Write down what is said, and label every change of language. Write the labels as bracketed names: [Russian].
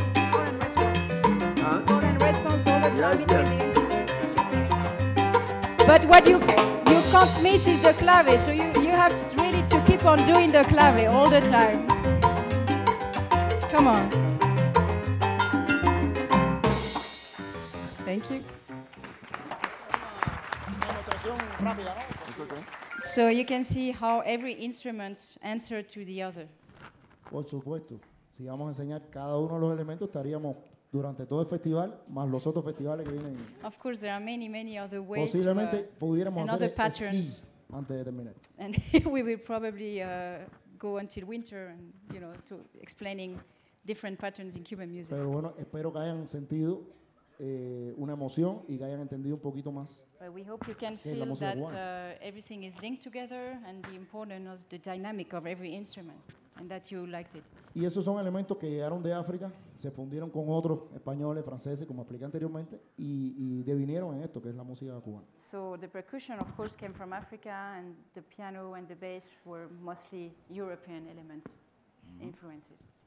[English] Call and response. Huh? Call and response all the time. Yes, yes. But what you can't miss is the clave, so you have to really to keep on doing the clave all the time. Come on. Thank you. So you can see how every instrument answers to the other. [Spanish] Por supuesto, si vamos a enseñar cada uno de los elementos, estaríamos durante todo el festival más los otros festivales que vienen. [English] Of course, there are many, many other ways. [Spanish] Posiblemente pudiéramos hacer patterns antes de terminar. [English] And we will probably go until winter, and you know, to explaining different patterns in Cuban music. [Spanish] Pero bueno, espero que hayan sentido una emoción y que hayan entendido un poquito más. [English] But we hope you can feel that everything is linked together and the importance of the dynamic of every instrument and that you liked it. [Spanish] Y esos son elementos que llegaron de África, se fundieron con otros españoles, franceses, como expliqué anteriormente, y devinieron en esto, que es la música cubana. [English] So the percussion, of course, came from Africa, and the piano and the bass were mostly European elements, influences.